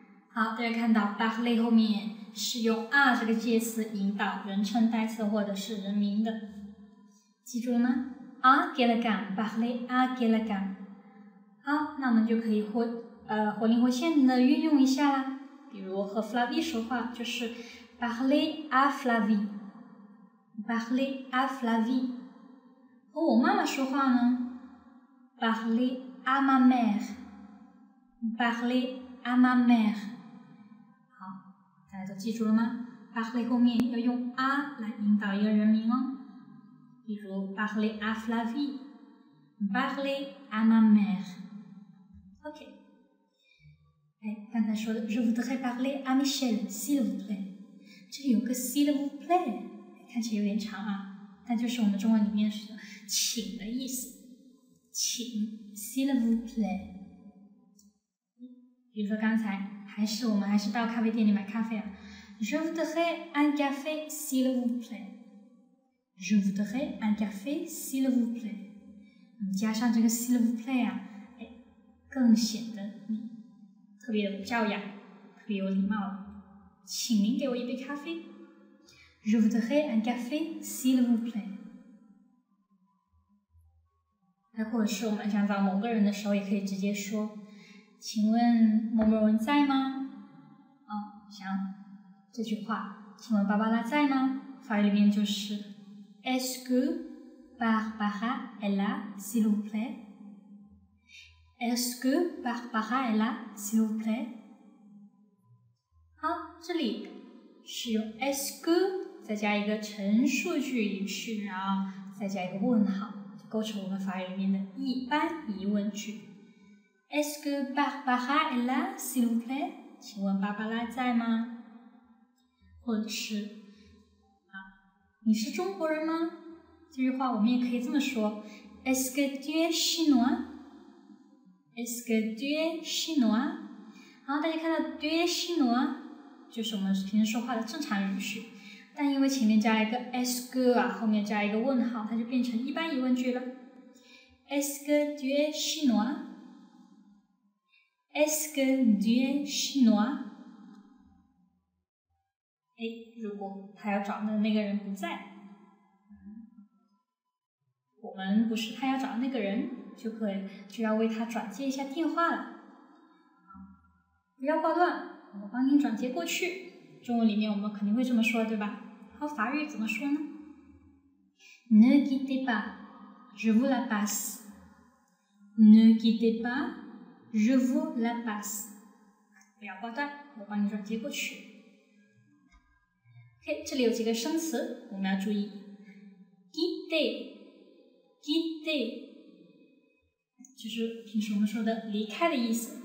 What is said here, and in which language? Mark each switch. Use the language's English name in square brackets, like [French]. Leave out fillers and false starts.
[Chinese] 好，大家看到 parler 后面是用 à 这个介词引导人称代词或者是人名的，记住了吗？ [French] à quelqu'un， parler à quelqu'un。 [Chinese] 好，那我们就可以活灵活现的运用一下啦。比如和 Flavie 说话就是 parler à Flavie， parler à Flavie。和我妈妈说话呢， [French] parler à ma mère， parler à ma mère。 [Chinese] 大家都记住了吗？ parler 后面要用 à 来引导一个人名哦。 [French] 比如 parler à Flavie， parler à ma mère。 [Chinese] OK， 刚才说的 [French] je voudrais parler à Michel s'il vous plaît， [Chinese] 这里有个 s'il vous plaît 看起来有点长啊，但就是我们中文里面是请的意思，请 s'il vous plaît。比如说刚才我们还是到咖啡店里买咖啡啊。 [French] Je voudrais un café s'il vous plaît。 Je voudrais un café s'il vous plaît。 [Chinese] 加上这个 s'il vous plaît 啊，更显得特别有教养，特别有礼貌了。请您给我一杯咖啡。 [French] Je voudrais un café s'il vous plaît。 [Chinese] 那或者是我们想找某个人的时候也可以直接说，请问某某人在吗？像这句话，请问芭芭拉在吗？法语里面就是 [French] Est-ce que Barbara est là, s'il vous plaît? Est-ce que Barbara est là, s'il vous plaît? [Chinese] 好，这里是用 Est-ce que 再加一个陈述句语序，然后再加一个问号，就构成我们法语里面的一般疑问句。 [French] Est-ce que Barbara est là, s'il vous plaît? [Chinese] 请问芭芭拉在吗？或者是你是中国人吗？这句话我们也可以这么说 [French] Est-ce que tu es chinois? Est-ce que tu es chinois? [Chinese] 然后大家看到 tu es chinois 就是我们平时说话的正常语序，但因为前面加一个 Est-ce que 啊，后面加一个问号，它就变成一般疑问句了。 [French] Est-ce que tu es chinois? Est-ce que tu es chinois? [Chinese] 如果他要找的那个人不在，我们不是他要找的那个人，就要为他转接一下电话了。不要挂断，我帮您转接过去。中文里面我们肯定会这么说，对吧？好，法语怎么说呢？ [French] Ne quittez pas, je vous la passe. Ne quittez pas. Je vous la passe. [Chinese] 不要挂断，我帮你转接过去。OK， 这里有几个生词我们要注意。 Quitter， Quitter 就是平时我们说的离开的意思。